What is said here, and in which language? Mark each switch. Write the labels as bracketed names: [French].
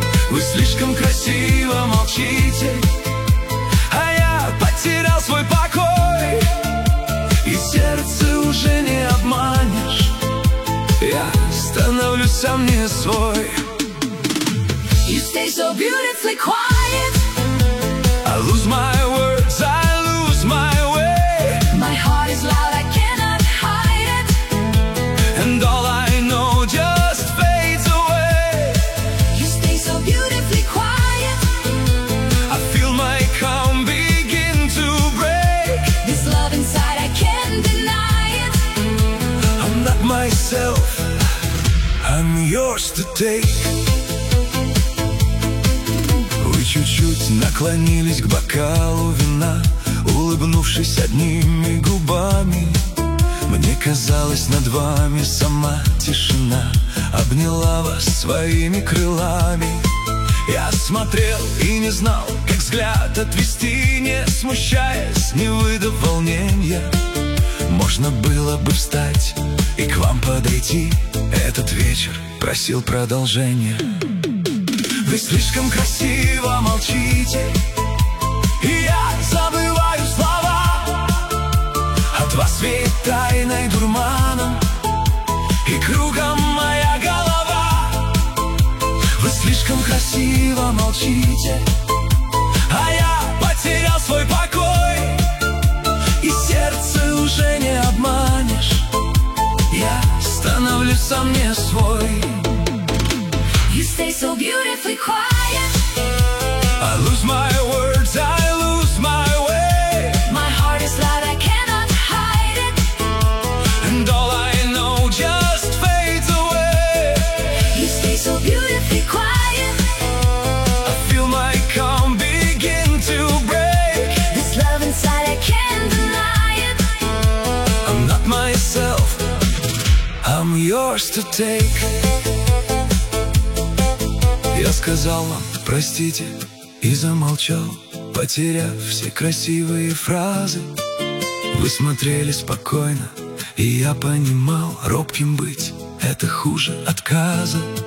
[Russian] Вы слишком красиво молчите, а я потерял свой покой. И сердце уже не обманешь, я становлюсь сам не свой. [English] So beautifully quiet, I lose my words, I lose my way. My heart is loud, I cannot hide it, and all I know just fades away. You stay so beautifully quiet, I feel my calm begin to break. This love inside, I can't deny it. I'm not myself, I'm yours to take. [Russian] Чуть-чуть наклонились к бокалу вина, улыбнувшись одними губами. Мне казалось, над вами сама тишина обняла вас своими крылами. Я смотрел и не знал, как взгляд отвести, не смущаясь, не выдав волнения. Можно было бы встать и к вам подойти. Этот вечер просил продолжения. Вы слишком красиво молчите, и я забываю слова. От вас веет тайной дурманом, и кругом моя голова. Вы слишком красиво молчите, а я потерял свой покой. И сердце уже не обманешь, я становлюсь сам не свой. [English] So beautifully quiet, I lose my words, I lose my way. My heart is loud, I cannot hide it, and all I know just fades away. You stay so beautifully quiet, I feel my calm begin to break. This love inside, I can't deny it. I'm not myself, I'm yours to take. [Russian] Я сказал вам «простите» и замолчал, потеряв все красивые фразы. Вы смотрели спокойно, и я понимал, робким быть — это хуже отказа.